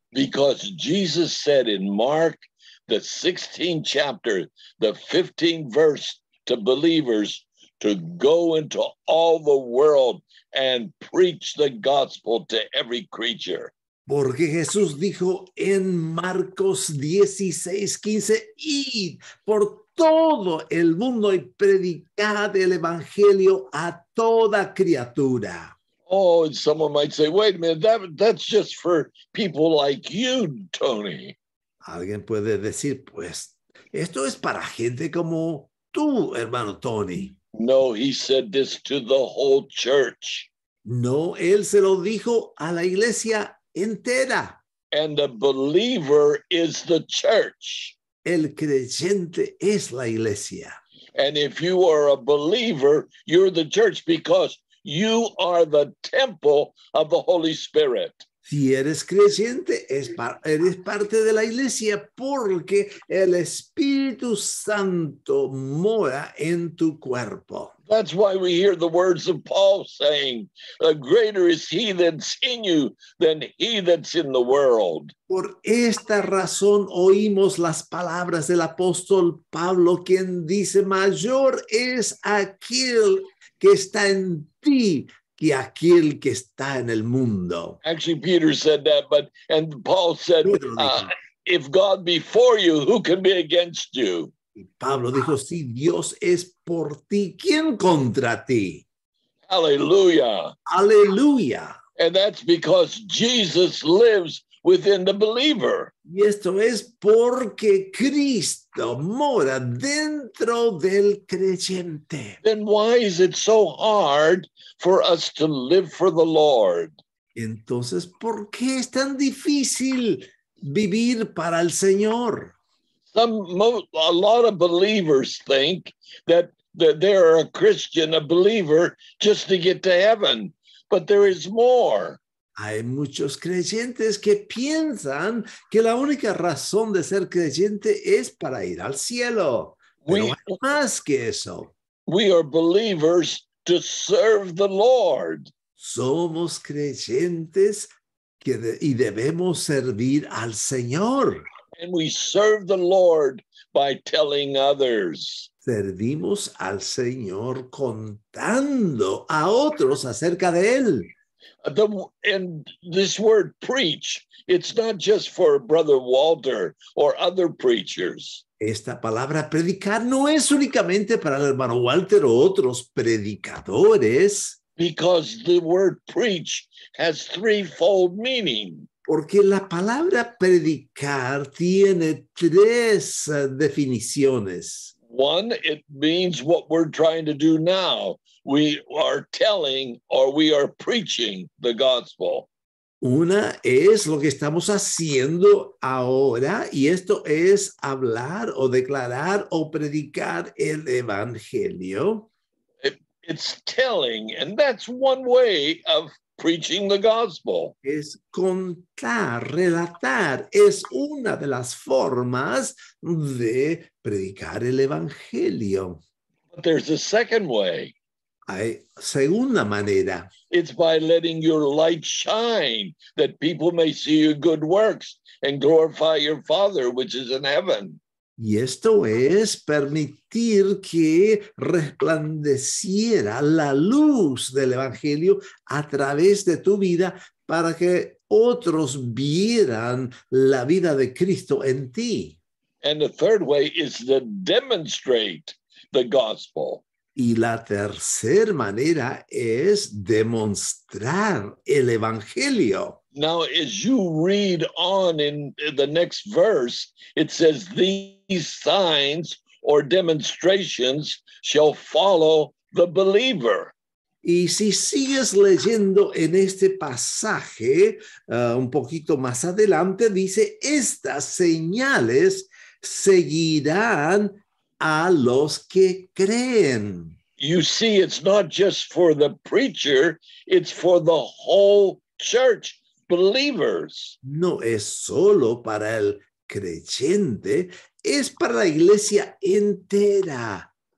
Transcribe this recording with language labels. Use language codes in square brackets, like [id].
[en] Because Jesus said in Mark, the 16th chapter, the 15th verse to believers, to go into all the world and preach the gospel to every creature. [es] Porque Jesús dijo en Marcos 16:15, id por todo el mundo y predicad el evangelio a toda criatura. [en] Oh, and someone might say, wait a minute, that's just for people like you, Tony. [es] Alguien puede decir, pues, esto es para gente como tú, hermano Tony. [en] No, he said this to the whole church. [es] No, él se lo dijo a la iglesia entera. [en] And the believer is the church. [es] El creyente es la iglesia. [en] And if you are a believer, you're the church because you are the temple of the Holy Spirit. [es] Si eres creyente, eres parte de la iglesia porque el Espíritu Santo mora en tu cuerpo. [en] That's why we hear the words of Paul saying, greater is he that's in you than he that's in the world. [es] Por esta razón oímos las palabras del apóstol Pablo, quien dice, mayor es aquel que está en ti que aquel que está en el mundo. [en] Actually, Peter said that, and Paul said, if God be for you, who can be against you? [es] Y Pablo dijo, si Dios es por ti, ¿quién contra ti? [en] Hallelujah. Hallelujah. And that's because Jesus lives within the believer. [es] Y esto es porque Cristo mora dentro del creyente. [en] Then why is it so hard for us to live for the Lord? [es] Entonces, ¿por qué es tan difícil vivir para el Señor? [en] A lot of believers think that they are a Christian, a believer, just to get to heaven. But there is more. [es] Hay muchos creyentes que piensan que la única razón de ser creyente es para ir al cielo. Pero hay más que eso. [en] We are believers to serve the Lord. [es] Somos creyentes y debemos servir al Señor. [en] And we serve the Lord by telling others. [es] Servimos al Señor contando a otros acerca de él. [en] And this word preach, it's not just for Brother Walter or other preachers. [es] Esta palabra predicar no es únicamente para el hermano Walter o otros predicadores. [en] Because the word preach has threefold meaning. [es] Porque la palabra predicar tiene tres definiciones. [en] One, it means what we're trying to do now. We are telling or we are preaching the gospel. [es] Una es lo que estamos haciendo ahora, y esto es hablar o declarar o predicar el evangelio. [en] It's telling, and that's one way of preaching the gospel. [es] Es contar, relatar, es una de las formas de predicar el evangelio. [en] But there's a second way. [es] Hay segunda manera. [en] It's by letting your light shine that people may see your good works and glorify your Father which is in heaven. [es] Y esto es permitir que resplandeciera la luz del evangelio a través de tu vida para que otros vieran la vida de Cristo en ti. [en] And the third way is to demonstrate the gospel. [es] Y la tercera manera es demostrar el evangelio. [en] Now, as you read on in the next verse, it says, these signs or demonstrations shall follow the believer. [es] Y si sigues leyendo en este pasaje, un poquito más adelante, dice, estas señales seguirán a los que creen. [en] You see, it's not just for the preacher, it's for the whole church. Believers. [es] No es solo para el creyente, es para la iglesia entera.